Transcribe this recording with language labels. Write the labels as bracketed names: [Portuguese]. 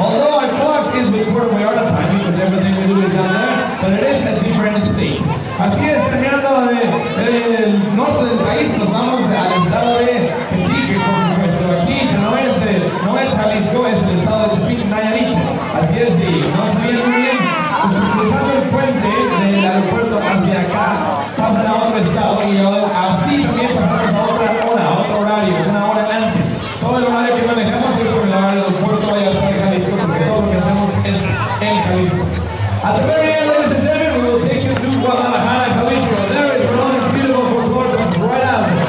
[English] Although our clocks is with Puerto Vallarta time because everything we do is out there, but it is a different state. [Spanish] Así es, terminando del norte del país, nos vamos al estado de Tepique, por supuesto. Aquí no es Jalisco, es el estado de Tepique, Nayarit. Así es, y no sabía muy bien, pues cruzando el puente del aeropuerto hacia acá, pasan a otro estado y así también pasamos a otra hora, a otro horario, es una hora antes. Todo el horario que manejamos es sobre la hora del puerto de Vallarta de Jalisco, porque todo lo que hacemos es en Jalisco. [English] At the very end, ladies and gentlemen, we will take you to Guadalajara, Jalisco. There is Verona's beautiful folklore comes right out.